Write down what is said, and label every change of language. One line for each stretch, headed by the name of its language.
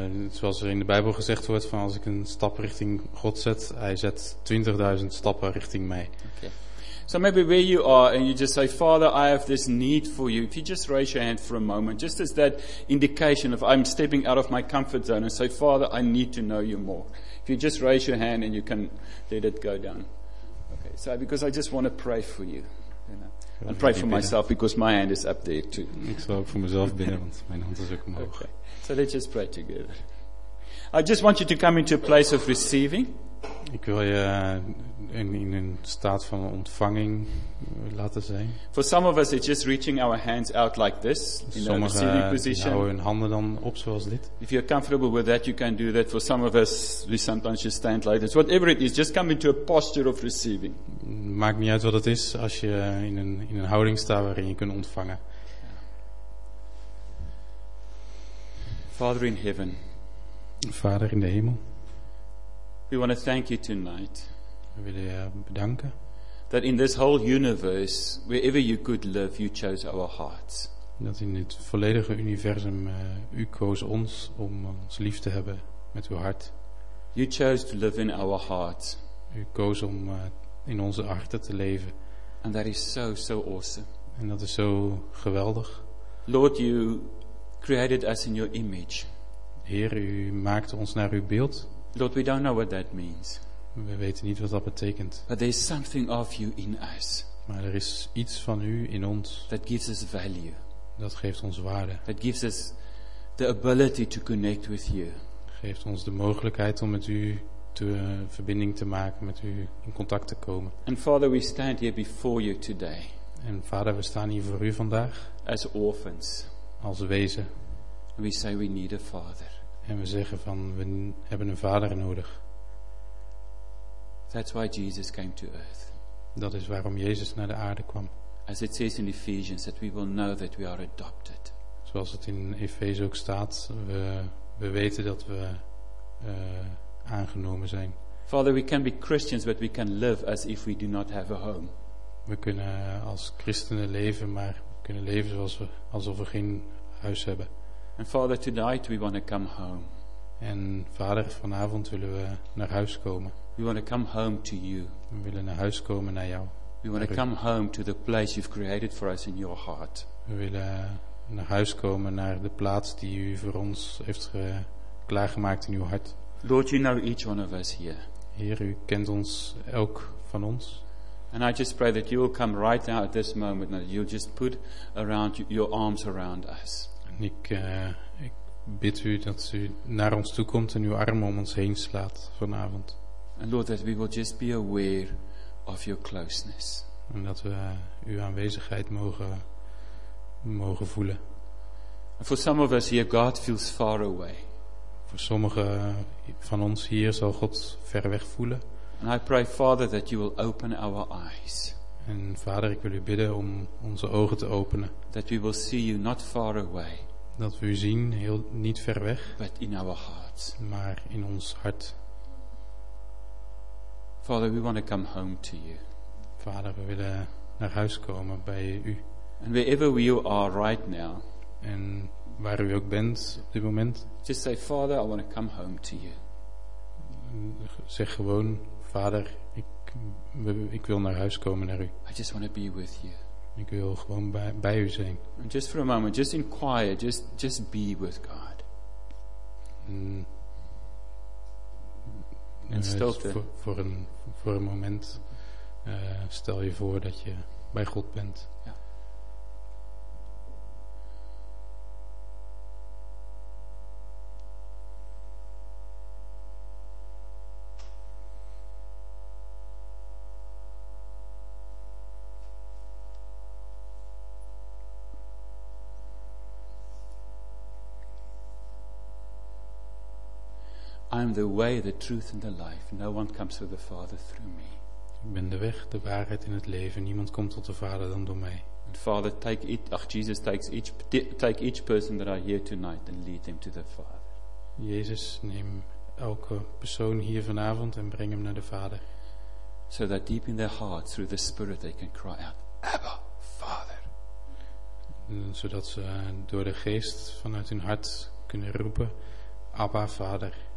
Dutch: Zoals er in de Bijbel gezegd wordt van als ik een stap richting God zet, Hij zet 20.000 stappen richting mij.
English: Okay. So maybe where you are and you just say, Father, I have this need for you. If you just raise your hand for a moment, just as that indication of I'm stepping out of my comfort zone and say, Father, I need to know you more. If you just raise your hand and you can let it go down. Okay. So because I just want to pray for you. And pray for myself because my hand is up there too.
Dutch: Ik zal ook voor mezelf bidden, want mijn hand is ook omhoog.
English: Okay. So let's just pray together. I just want you to come into a place of receiving.
Dutch: Ik wil je in een staat van ontvanging laten zijn.
English: For some of us, it's just reaching our hands out like this in a receiving position.
Dutch: Sommigen houden hun handen dan op zoals dit.
English: If you're comfortable with that, you can do that. For some of us, we sometimes just stand like this. Whatever it is, just come into a posture of receiving.
Dutch: Maakt niet uit wat het is, als je in een houding staat waarin je kunt ontvangen.
English: Father in heaven.
Dutch: Vader in de hemel.
English: We want to thank you tonight.
Dutch: We willen je bedanken.
English: That in this whole universe, wherever you could live, you chose our hearts.
Dutch: Dat in het volledige universum u koos ons om ons lief te hebben met uw hart.
English: You chose to live in our hearts.
Dutch: U koos om in onze harten te leven.
English: And that is so, so awesome.
Dutch: En dat is zo geweldig.
English: Lord, you created us in your image.
Dutch: Heer, u maakte ons naar uw beeld.
English: Lord, we don't know what that means.
Dutch: We weten niet wat dat betekent.
English: But there is something of you in us.
Dutch: Maar er is iets van u in ons.
English: That gives us value.
Dutch: Dat geeft ons waarde.
English: That gives us the ability to connect with you.
Dutch: Geeft ons de mogelijkheid om met u te verbinding te maken, met u in contact te komen.
English: And Father, we stand here before you today.
Dutch: En Vader, we staan hier voor u vandaag.
English: As orphans.
Dutch: Als wezen.
English: And we say we need a father.
Dutch: En we zeggen van, we hebben een vader nodig.
English: That's why Jesus came to earth.
Dutch: Dat is waarom Jezus naar de aarde kwam.
English: As it says in Ephesians, that we will know that we are adopted.
Dutch: Zoals het in Efeze ook staat, we weten dat we aangenomen zijn.
English: Father, we can be Christians, but we can live as if we do not have a home.
Dutch: We kunnen als christenen leven, maar we kunnen leven alsof we geen huis hebben.
English: And Father, tonight we want to come home.
Dutch: En Vader, vanavond willen we naar huis komen.
English: We want to come home to you.
Dutch: We willen naar huis komen naar jou.
English: We want to come home to the place you've created for us in your heart.
Dutch: We willen naar huis komen naar de plaats die u voor ons heeft klaargemaakt in uw hart.
English: Lord, you know each one of us here.
Dutch: Heer, u kent ons elk van ons.
English: And I just pray that you will come right now at this moment and you'll just put around your arms around us.
Dutch: Ik bid u dat u naar ons toe komt en uw armen om ons heen slaat vanavond.
English: And Lord, that we will just be aware of your closeness.
Dutch: En dat we uw aanwezigheid mogen voelen.
English: And for some of us here, God feels far away.
Dutch: Voor sommigen van ons hier zal God ver weg voelen.
English: And I pray, Father, that you will open our eyes.
Dutch: En Vader, ik wil u bidden om onze ogen te openen.
English: That we will see you not far away.
Dutch: Dat we u zien, heel niet ver weg,
English: but in our hearts.
Dutch: Maar in ons hart.
English: Father, we want to come home to you.
Dutch: Vader, we willen naar huis komen bij u.
English: And wherever we are right now,
Dutch: en waar u ook bent op dit moment,
English: just say, Father, I want to come home to you.
Dutch: Zeg gewoon, Vader, ik wil naar huis komen naar u.
English: I just want to be with you.
Dutch: Ik wil gewoon bij u zijn.
English: And just for a moment, just in quiet, just be with God.
Dutch: En stilte. Voor een moment stel je voor dat je bij God bent. Ja.
English: I am the way, the truth and the life. No one comes to the Father through me.
Dutch: Ik ben de weg, de waarheid en het leven. Niemand komt tot de Vader dan door mij.
English: And Father, Jesus takes each person that I hear tonight and lead them to the Father.
Dutch: Jezus, neem elke persoon hier vanavond en breng hem naar de Vader.
English: So that deep in their heart, through the Spirit, they can cry out, Abba, Father.
Dutch: Zodat ze door de Geest vanuit hun hart kunnen roepen, Abba, Vader.